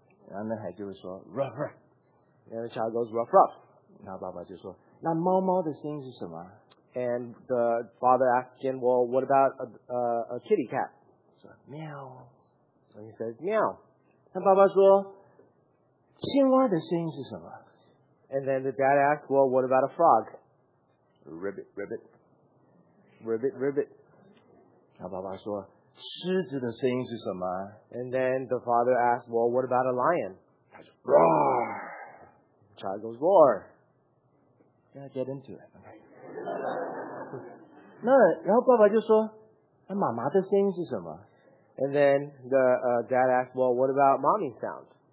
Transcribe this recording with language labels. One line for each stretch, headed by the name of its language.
Chinese: 然后那孩子就说 ruff ruff.
English: And the child goes ruff ruff.
Chinese: 然后爸爸就说，那猫猫的声音是什么？
English: And the father asked him, well, what about a kitty cat? He said, meow. And he says, meow.
Chinese: 那爸爸说，青蛙的声音是什么？
English: And then the dad asked, well, what about a frog? Ribbit, ribbit, ribbit, ribbit.
Chinese: 然后爸爸说，狮子的声音是什么？
English: And then the father asked, "Well, what about a lion?" Roar. Child goes roar. Yeah, get into it. Okay.
Chinese: 那然后爸爸就说，那妈妈的声音是什么？
English: And then the dad asked, "Well, what about mommy's sound?"